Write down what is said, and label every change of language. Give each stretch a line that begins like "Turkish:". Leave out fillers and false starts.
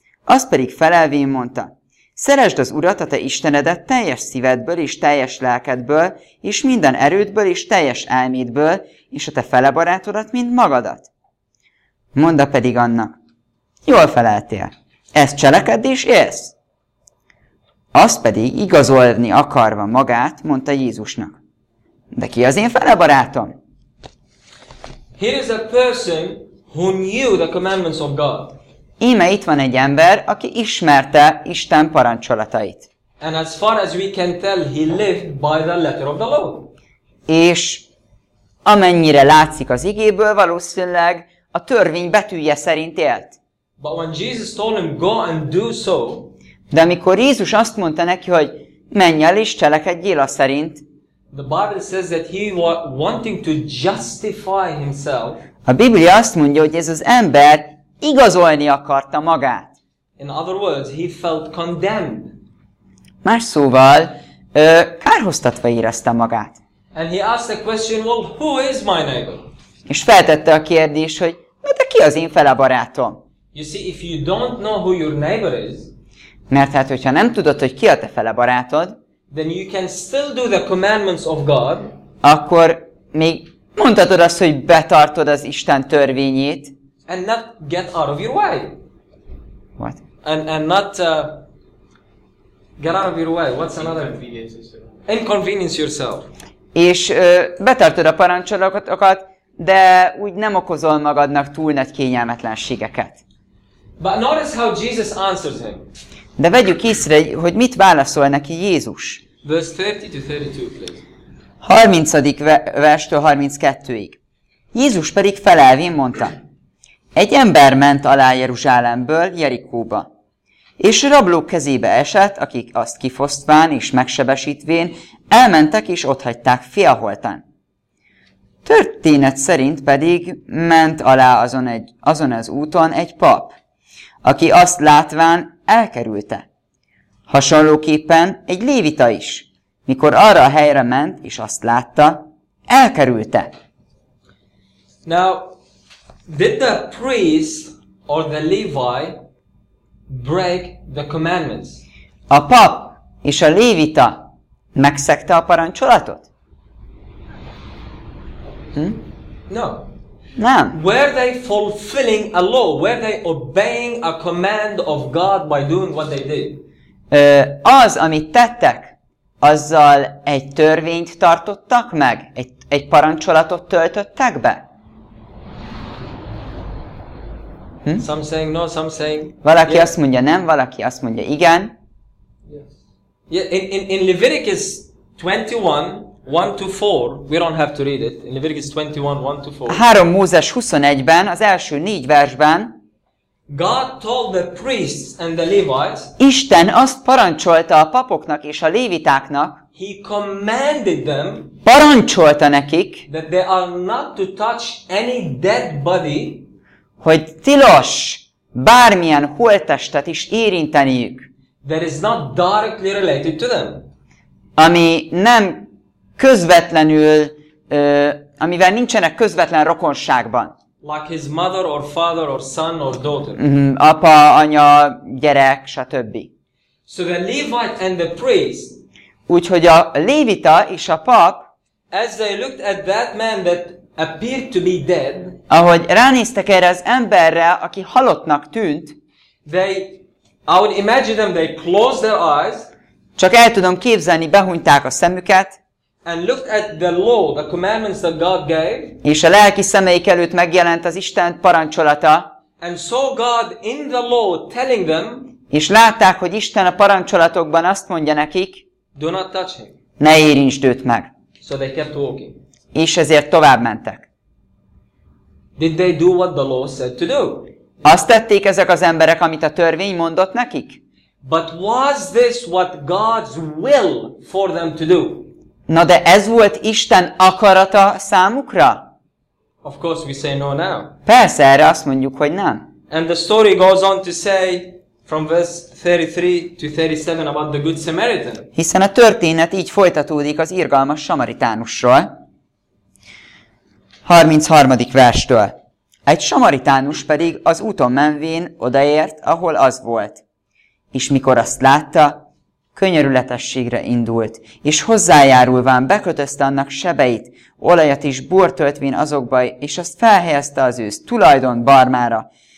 Hungarian: Azt pedig felelvén mondta, szeresd az Urat, a te Istenedet teljes szívedből és teljes lelkedből, és minden erődből és teljes elmédből, és a te fele barátodat, mint magadat. Mondta pedig annak, jól feleltél, ezt cselekedd és élsz. Azt pedig igazolni akarva magát, mondta Jézusnak, de ki az én fele barátom?
English: Here is a person who knew the commandments of God.
Hungarian: Íme itt van egy ember, aki ismerte Isten parancsolatait.
English: And as far as we can tell, he lived by the letter of the law.
Hungarian: És amennyire látszik az igéből, valószínűleg a törvény betűje szerint élt.
English: But when Jesus told him, go and do so.
Hungarian: De amikor Jézus azt mondta neki, hogy menj el és cselekedjél a szerint.
English: The Bible says that he was wanting to justify himself.
Hungarian: A Biblia azt mondja, hogy ez az ember igazolni akarta magát.
English: In other words, he felt condemned.
Hungarian: Más szóval, kárhoztatva érezte magát.
English: And he asked the question, well, who is my neighbor?
Hungarian: És feltette a kérdést, hogy na de ki az én fele barátom?
English: You see, if you don't know who your neighbor is,
Hungarian: mert hát, hogyha nem tudod, hogy ki a te fele barátod,
English: then you can still do the commandments of God,
Hungarian: akkor még mondhatod azt, hogy betartod az Isten törvényét,
English: and not get out of your way. What? And not get out of your way. What's another? Inconvenience yourself.
Hungarian: És betartod a parancsolatokat, de úgy nem okozol magadnak túl nagy kényelmetlenségeket.
English: But notice how Jesus answers him.
Hungarian: De vegyük észre, hogy mit válaszol neki Jézus.
English: Verse 30-32, please.
Hungarian: 30. verstől 32-ig. Jézus pedig felelvén mondta. Egy ember ment alá Jeruzsálemből Jerikóba, és rablók kezébe esett, akik azt kifosztván és megsebesítvén elmentek és otthagyták félholtan. Történet szerint pedig ment alá azon az úton egy pap, aki azt látván elkerülte. Hasonlóképpen egy lévita is, mikor arra a helyre ment és azt látta, elkerülte.
English: Now, did the priest or the Levi break the commandments?
Hungarian: A pap és a lévita megszegte a parancsolatot?
English: No.
Hungarian: Nem.
English: Were they fulfilling a law? Were they obeying a command of God by doing what they did?
Hungarian: Az, amit tettek, azzal egy törvényt tartottak meg, egy parancsolatot töltöttek be.
English: Some saying no, some saying.
Hungarian: Valaki azt mondja nem, valaki azt mondja igen.
English: Yes. Yeah, in Leviticus 21:1-4, we don't have to read it. In Leviticus 21:1-4.
Hungarian: 3 Mózes 21-ben, az első 4 versben.
English: God told the priests and the Levites.
Hungarian: Isten azt parancsolta a papoknak és a lévitáknak.
English: He commanded them.
Hungarian: Parancsolta nekik.
English: That they are not to touch any dead body.
Hungarian: Hogy tilos bármilyen holttestet is érinteniük.
English: That is not directly related to them.
Hungarian: Ami nem közvetlenül, amivel nincsenek közvetlen rokonságban.
English: Like his mother or father or son or daughter.
Hungarian: Apa, anya, gyerek, stb.
English: So the Levite and the priest.
Hungarian: Úgyhogy a lévita és a pap.
English: As they looked at that man that appeared to be dead.
Hungarian: Ahogy ránéztek erre az emberre, aki halottnak tűnt.
English: They, I would imagine them, they closed their eyes.
Hungarian: Csak el tudom képzelni, behunyták a szemüket.
English: And looked at the law, the commandments that God gave.
Hungarian: És a lelki szemeik előtt megjelent az Isten parancsolata.
English: And saw God in the law telling them.
Hungarian: És látták, hogy Isten a parancsolatokban azt mondja nekik.
English: Do not touch him.
Hungarian: Ne érintsd őt meg.
English: So they kept walking.
Hungarian: És ezért tovább mentek.
English: Did they do what the law said to do?
Hungarian: Azt tették ezek az emberek, amit a törvény mondott nekik?
English: But was this what God's will for them to do?
Hungarian: Na de ez volt Isten akarata számukra?
English: Of course we say no now.
Hungarian: Persze, erre azt mondjuk, hogy nem.
English: And the story goes on to say from verse 33-37 about the good Samaritan.
Hungarian: Hiszen a történet így folytatódik az irgalmas samaritánusról. 33. verstől. Egy samaritánus pedig az úton menvén odaért, ahol az volt. És mikor azt látta, könyörületességre indult, és hozzájárulván bekötözte annak sebeit, olajat is bort öltvén azokba, és azt felhelyezte az ő tulajdon barmára.